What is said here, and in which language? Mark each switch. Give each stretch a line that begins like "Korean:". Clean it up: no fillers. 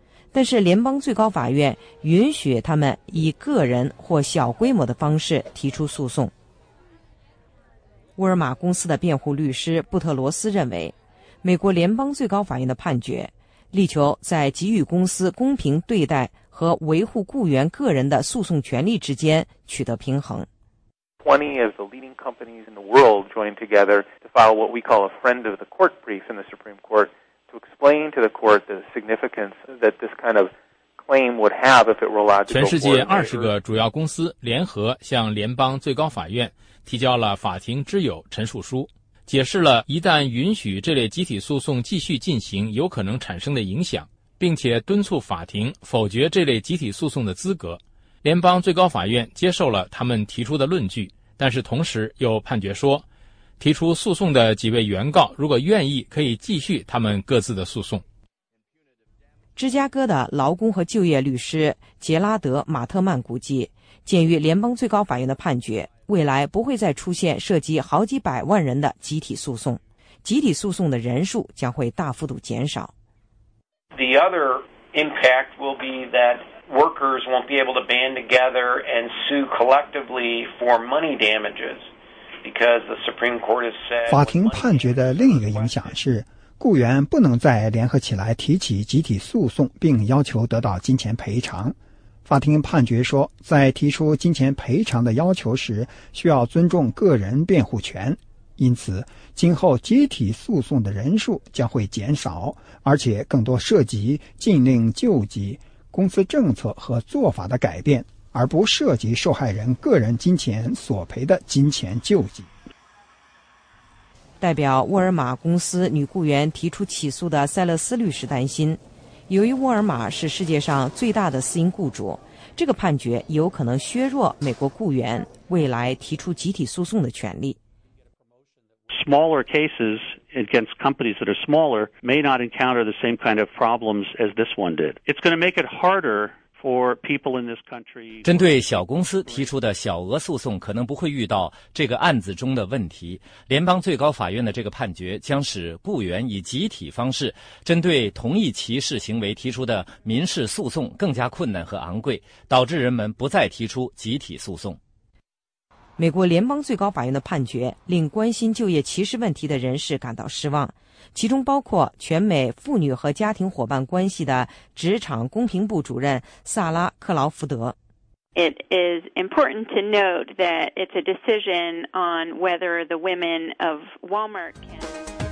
Chinese: 但是联邦最高法院允许他们以个人或小规模的方式提出诉讼。沃尔玛公司的辩护律师布特罗斯认为，美国联邦最高法院的判决力求在给予公司公平对待和维护雇员个人的诉讼权利之间取得平衡。
English: 20 of the leading companies in the world joined together to file what we call a friend of the court brief in the Supreme Court to explain to the court the significance that this kind of claim would have if it were allowed to go forward.
Chinese: 全世界20个主要公司联合向联邦最高法院提交了法庭之友陈述书，解释了一旦允许这类集体诉讼继续进行有可能产生的影响，并且敦促法庭否决这类集体诉讼的资格。联邦最高法院接受了他们提出的论据，但是同时又判决说，提出诉讼的几位原告如果愿意，可以继续他们各自的诉讼。芝加哥的劳工和就业律师杰拉德·马特曼估计，鉴于联邦最高法院的判决，未来不会再出现涉及好几百万人的集体诉讼，集体诉讼的人数将会大幅度减少。
English: The other impact will be that workers won't be able to band together and sue collectively for money damages because the Supreme Court has said.
Chinese: 法庭判决的另一个影响是，雇员不能再联合起来提起集体诉讼，并要求得到金钱赔偿。法庭判决说，在提出金钱赔偿的要求时，需要尊重个人辩护权。因此，今后集体诉讼的人数将会减少，而且更多涉及禁令救济、公司政策和做法的改变，而不涉及受害人个人金钱索赔的金钱救济。代表沃尔玛公司女雇员提出起诉的塞勒斯律师担心，由于沃尔玛是世界上最大的私营雇主，这个判决有可能削弱美国雇员未来提出集体诉讼的权利。
English: Smaller cases against companies that are smaller may not encounter the same kind of problems as this one did. It's going to make it harder for people in this country.
Chinese: 针对小公司提出的小额诉讼可能不会遇到这个案子中的问题，联邦最高法院的这个判决将使雇员以集体方式针对同一歧视行为提出的民事诉讼更加困难和昂贵，导致人们不再提出集体诉讼。美国联邦最高法院的判决令关心就业歧视问题的人士感到失望，其中包括全美妇女和家庭伙伴关系的职场公平部主任萨拉·克劳福德。
English: It is important to note that it's a decision on whether the women of Walmart can...